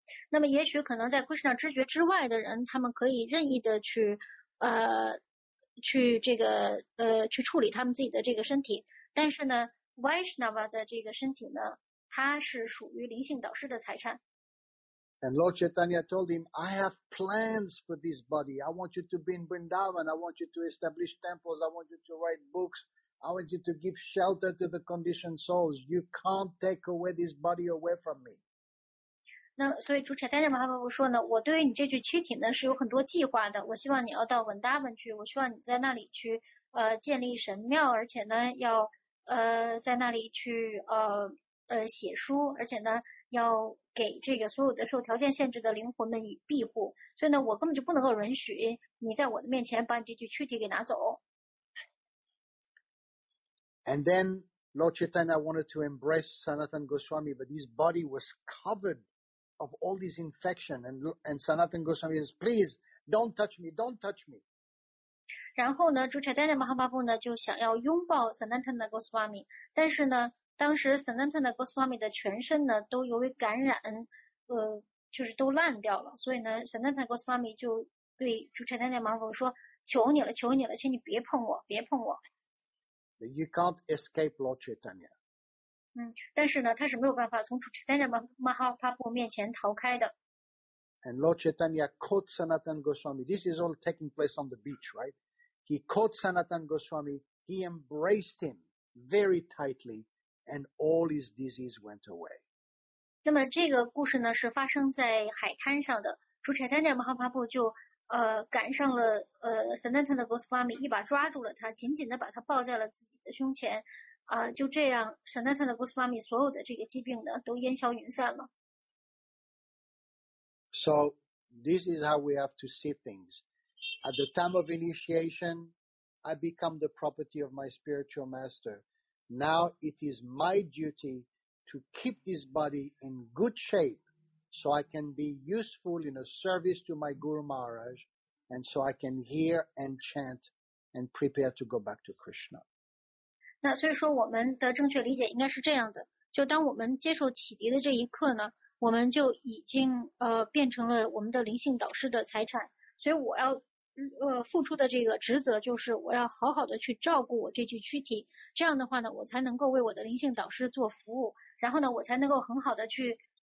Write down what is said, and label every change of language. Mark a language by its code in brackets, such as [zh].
[zh] 那么也许可能在 Krishna 知觉之外的人他们可以任意的去去这个去处理他们自己的这个身体。但是呢 ,Vaishnava 的这个身体呢它是属于灵性导师的财产。 [en] And Lord Chaitanya told him, I have plans for this body. I want you to be in Vrindavan. I want you to establish temples. I want you to write books. I want you to give shelter to the conditioned souls. You can't take away this body away from me. [zh] 那所以主柴坦的马哈巴布说呢，我对于你这具躯体呢是有很多计划的。我希望你要到文达文去，我希望你在那里去建立神庙，而且呢要在那里去写书，而且呢要给这个所有的受条件限制的灵魂们以庇护。所以呢，我根本就不能够允许你在我的面前把你这具躯体给拿走。 [en] And then Lord Chaitanya wanted to embrace Sanatan Goswami, but his body was covered of all this infection. And Sanatan Goswami says, please, don't touch me, don't touch me. [zh] 然后呢主柴坦的马哈巴布呢就想要拥抱 Sanatan Goswami, 但是呢当时 Sanatan Goswami 的全身呢都由于感染就是都烂掉了。所以呢 Sanatan Goswami 就对主柴坦的马哈巴布说求你了求你了请你别碰我别碰我。 [en] That you can't escape Lord Chaitanya. [zh] 但是呢他是没有办法从主持在那马哈帕布面前逃开的。 [en] And Lord Chaitanya caught Sanatan Goswami. This is all taking place on the beach, right? He caught Sanatan Goswami. He embraced him very tightly and all his disease went away. [zh] 那么这个故事呢是发生在海滩上的。主持在那马哈帕布就赶上了Sanatan Goswami 一把抓住了他紧紧地把他抱在了自己的胸前就这样 Sanatan Goswami 所有的这个疾病呢都烟消云散了。 [en] So, this is how we have to see things. At the time of initiation, I become the property of my spiritual master. Now, it is my duty to keep this body in good shape. So I can be useful in a service to my Guru Maharaj, and so I can hear and chant and prepare to go back to Krishna. [zh] 那所以说我们的正确理解应该是这样的，就当我们接受启迪的这一刻呢，我们就已经变成了我们的灵性导师的财产。所以我要付出的这个职责就是我要好好的去照顾我这具躯体，这样的话呢，我才能够为我的灵性导师做服务，然后呢，我才能够很好的去。